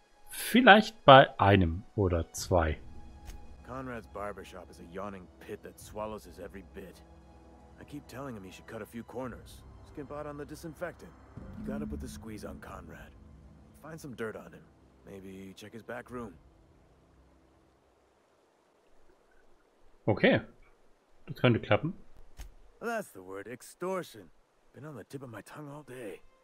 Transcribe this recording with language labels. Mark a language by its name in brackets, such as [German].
[German] Vielleicht bei einem oder zwei. [English] Conrad's barbershop is a yawning pit that swallows his every bit. I keep telling him he should cut a few corners, skimp out on the disinfectant. You gotta put the squeeze on Conrad. Find some dirt on him. Maybe check his back room. [German] Okay, das könnte klappen. [English] That's the word, extortion. Been on the tip of my tongue all day.